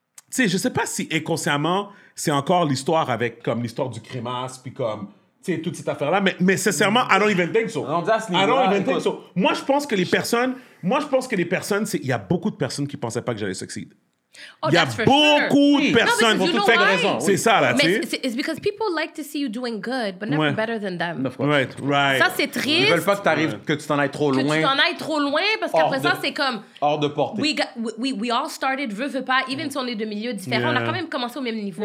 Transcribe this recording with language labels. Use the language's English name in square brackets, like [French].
[French] Tu sais, je sais pas si inconsciemment, c'est encore l'histoire avec, comme, l'histoire du crémasse, puis comme, tu sais, toute cette affaire-là. Mais sincèrement, [English] I don't even think so. [French] On dit à ce [English] niveau-là, I don't even think so. [French] Moi, je pense que les personnes, c'est, il y a beaucoup de personnes qui pensaient pas que j'allais succéder. Oh, il y a beaucoup de personnes pour toutes sortes de raisons. C'est ça, là, tu sais. [English] It's because people like to see you doing good, but never better than them. Right, right. [French] Ça, c'est triste. Ils veulent pas que t'arrives, que tu t'en ailles trop loin. Que tu t'en ailles trop loin, parce qu'après ça, c'est comme... Hors de portée. [English] We all started, [French] veux pas, even si on est de milieux différents, on a quand même commencé au même niveau.